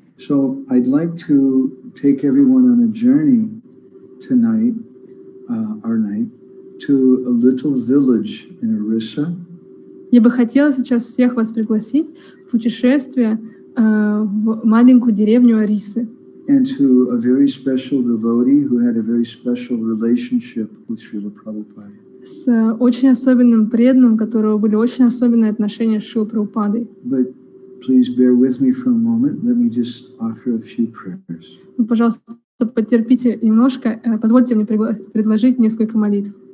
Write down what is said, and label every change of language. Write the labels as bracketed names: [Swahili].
[English] So I'd like to take everyone on a journey tonight, our night, to a little village in Orissa. [Russian] Я бы хотела сейчас всех вас пригласить в путешествие в маленькую деревню Орисы. [English] And to a very special devotee who had a very special relationship with Srila Prabhupada. [Russian] С очень особенным преданным, у которого были очень особенные отношения с Шрилой Прабхупадой. [English] But please bear with me for a moment. Let me just offer a few prayers. [Russian] Пожалуйста, потерпите немножко. Позвольте мне предложить несколько молитв.